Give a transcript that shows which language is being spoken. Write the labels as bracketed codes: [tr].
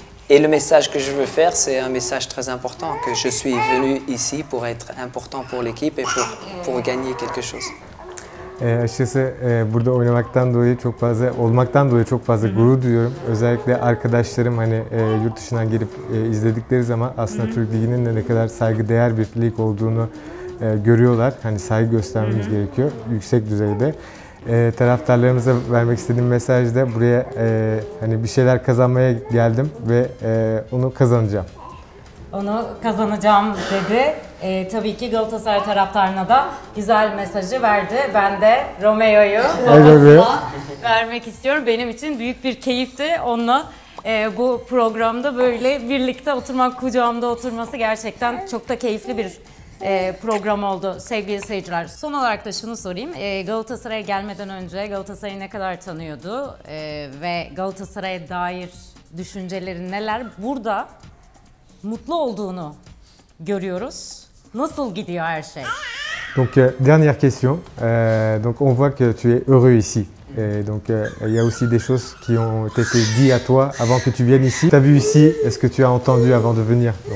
[fr] Et le message que je veux faire, c'est un message très important, que je suis venu ici pour être important pour l'équipe et pour gagner quelque chose. [tr] Açıkçası burada oynamaktan dolayı çok fazla, olmaktan dolayı çok fazla gurur duyuyorum. Özellikle arkadaşlarım hani yurt dışından gelip izledikleri zaman aslında Türk Ligi'nin de ne kadar saygıdeğer bir lig olduğunu görüyorlar. Hani saygı göstermemiz gerekiyor yüksek düzeyde. Taraftarlarımıza vermek istediğim mesaj da buraya hani bir şeyler kazanmaya geldim ve onu kazanacağım. Onu kazanacağım dedi. Tabii ki Galatasaray taraftarına da güzel mesajı verdi. Ben de Romeo'yu vermek istiyorum. Benim için büyük bir keyifti onunla bu programda böyle birlikte oturmak, kucağımda oturması gerçekten çok da keyifli bir program oldu sevgili seyirciler. Son olarak da şunu sorayım. Galatasaray'a gelmeden önce Galatasaray'ı ne kadar tanıyordu ve Galatasaray'a dair düşünceleri neler? Burada mutlu olduğunu görüyoruz. Nasıl gidiyor her şey? [fr] Donc dernière question. Donc on voit que tu es heureux ici. Donc il y a aussi des choses qui ont été dites à toi avant que tu viennes ici. Tu as vu ici, est-ce que tu as entendu avant de venir?